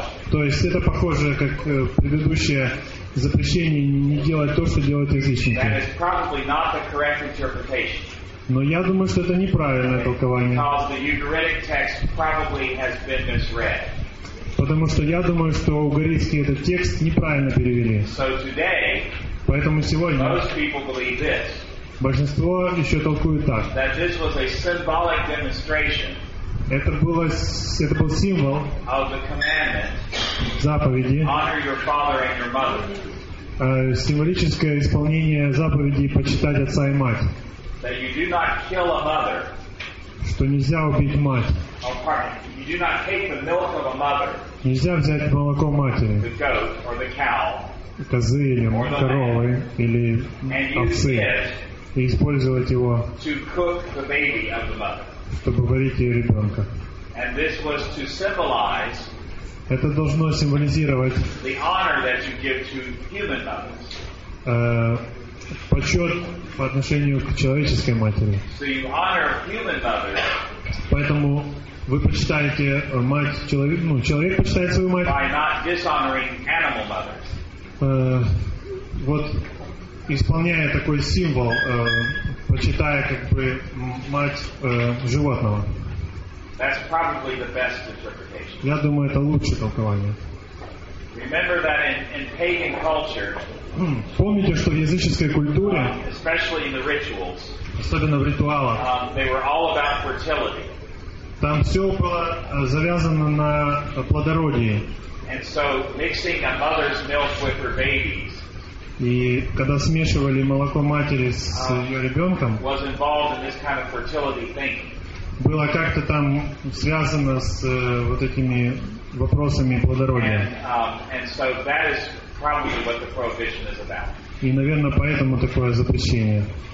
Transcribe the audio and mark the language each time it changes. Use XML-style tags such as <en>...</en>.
<ru>То есть это похоже как предыдущее запрещение не делать то, что делают язычники.</ru> <en>That is probably not the correct interpretation.</en> <ru>Но я думаю, что это неправильное толкование.</ru> <en>Because the Ugaritic text probably has been misread.</en> <ru>Потому что я думаю, что угаритские этот текст неправильно перевели.</ru> <en>So today,</en> <ru>поэтому сегодня</ru> <en>most people believe this.</en> <ru>Большинство еще толкует так.</ru> <en>That this was a symbolic demonstration.</en> <ru>Это был символ</ru> <en>of the commandment,</en> <ru>заповеди,</ru> <en>honor your father and your mother.</en> <ru>Символическое исполнение заповеди почитать отца и мать.</ru> <en>That you do not kill a mother.</en> <ru>Что нельзя убить мать.</ru> <en>Oh, pardon. You do not take the milk of a mother.</en> <ru>Нельзя взять молоко матери.</ru> <en>The goat or the cow.</en> <ru>Козы или коровы или овцы. И использовать его,</ru> <en>to cook the baby of the mother.</en> <ru>Чтобы варить ее ребенка.</ru> <en>And this was to symbolize,</en> <ru>это должно символизировать</ru> <en>the honor that you give to human mothers.</en> <ru>Почет по отношению к человеческой матери.</ru> <en>So you honor human mothers.</en> <ru>Поэтому вы почитаете мать человека, ну, человек почитает свою мать.</ru> <en>By not dishonoring animal mothers.</en> <ru>Вот исполняя такой символ, почитая как бы мать животного.</ru> <en>That's probably the best interpretation.</en> <ru>Я думаю, это лучшее толкование.</ru> <en>Remember that in pagan culture,</en> <ru>помните, что в языческой культуре,</ru> <en>especially in the rituals,</en> <ru>особенно в ритуалах,</ru> <en>they were all about fertility.</en> <ru>Там все было завязано на плодородии.</ru> <en>And so mixing a mother's milk with her babies.</en> <ru>И когда смешивали молоко матери с ее ребенком,</ru> <en>was involved in this kind of fertility thing.</en> <ru>Было как-то там связано с вот этими вопросами плодородия.</ru> <en>And so that is probably what the prohibition is about.</en> <ru>И, наверное, поэтому такое запрещение.</ru>